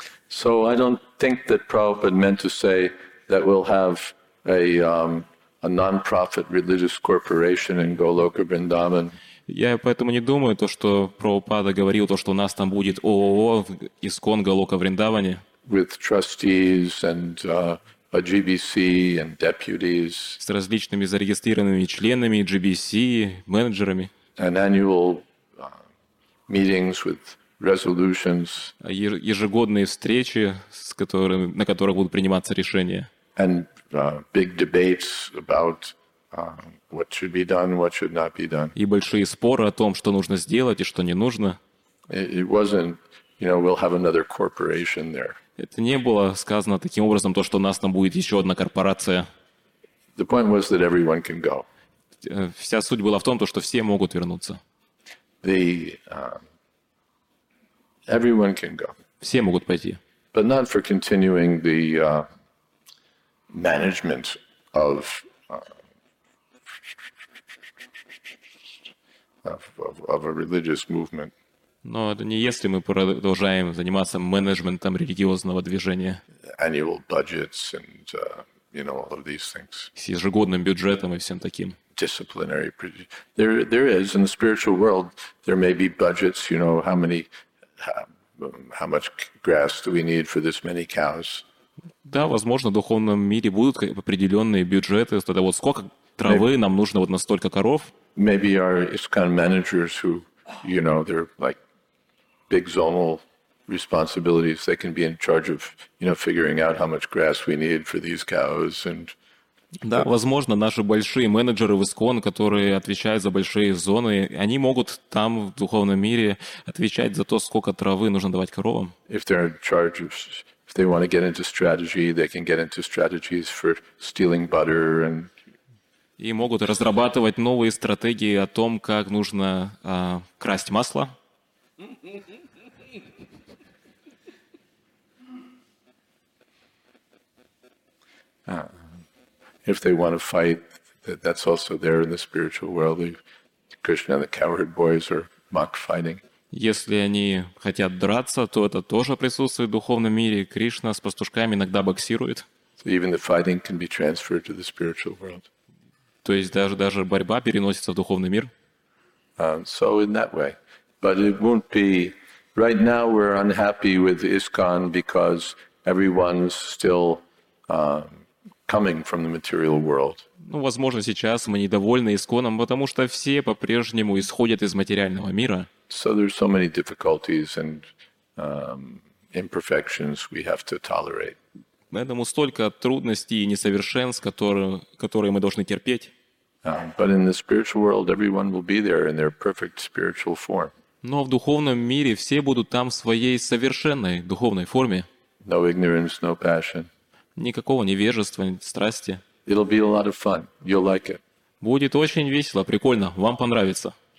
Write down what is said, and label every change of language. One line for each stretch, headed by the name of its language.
English: So I don't think that Prabhupada meant to say that we'll have a non-profit religious corporation in Goloka Vrindavan.
Russian: Я поэтому не думаю то, что Прабхупада говорил то, что у нас там будет ООО ИСКОН Голока Вриндаване.
English: With trustees and a GBC and deputies.
Russian: С различными зарегистрированными членами GBC, менеджерами.
English: And annual meetings with resolutions.
Russian: Ежегодные встречи, на которых будут приниматься решения.
English: And big debates about what should be done, what should not be done.
Russian: И большие споры о том, что нужно сделать и что не нужно.
English: It wasn't, you know, we'll have another corporation there.
Russian: Это не было сказано таким образом, то, что у нас там будет еще одна корпорация.
English: The point was that everyone can go.
Russian: Вся суть была в том, то, что все могут вернуться.
English: Everyone can go.
Russian: Все могут пойти.
English: But not for continuing the management of of a religious movement.
Russian: Но это не если мы продолжаем заниматься менеджментом религиозного движения.
English: Annual budgets and you know all of these things.
Russian: С ежегодным бюджетом и всем таким.
English: Disciplinary. There is in the spiritual world there may be budgets. You know how many how much grass do we need for this many cows?
Russian: Да, возможно, в духовном мире будут определенные бюджеты. Тогда вот сколько травы нам нужно вот настолько коров?
English: Maybe our ISKCON managers who you know they're like big zonal responsibilities. They can be in charge of, you know, figuring out how much grass we need for these cows. And
Russian: да, возможно, наши большие менеджеры в ИСКОН, которые отвечают за большие зоны, они могут там в духовном мире отвечать за то, сколько травы нужно давать коровам.
English: If they're in charge of, if they want to get into strategy, they can get into strategies for stealing butter and.
Russian: И могут разрабатывать новые стратегии о том, как нужно красть масло.
English: If they want to fight, that's also there in the spiritual world. Krishna and the cowherd boys are mock fighting.
Russian: Если они хотят драться, то это тоже присутствует в духовном мире. Кришна с пастушками иногда боксирует.
English: So even the fighting can be transferred to the spiritual world.
Russian: То есть даже борьба переносится в духовный мир.
English: So in that way, but it won't be. Right now we're unhappy with ISKCON because everyone's still coming from the material world.
Russian: Ну, возможно, сейчас мы недовольны ИСКОНом, потому что все по-прежнему исходят из материального мира.
English: So there's so many difficulties and imperfections we have to tolerate.
Russian: Поэтому столько трудностей и несовершенств, которые мы должны терпеть.
English: But in the spiritual world, everyone will be there in their perfect spiritual form.
Russian: Но в духовном мире все будут там в своей совершенной духовной форме.
English: No ignorance, no passion.
Russian: Никакого невежества, страсти.
English: It'll be a lot of fun. You'll like it.
Russian: Будет очень весело, прикольно. Вам понравится.